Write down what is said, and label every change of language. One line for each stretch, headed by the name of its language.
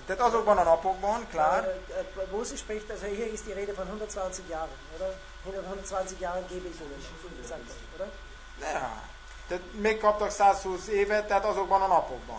Hungarian: Tehát azokban a napokban, klar.
German: Mose spricht, also hier ist die Rede von 120 Jahren, oder? 120 Jahren gebe ich Ihnen, sagt er, oder? Ja.
Hungarian: Tehát megkaptak 120 évet, tehát azokban a napokban.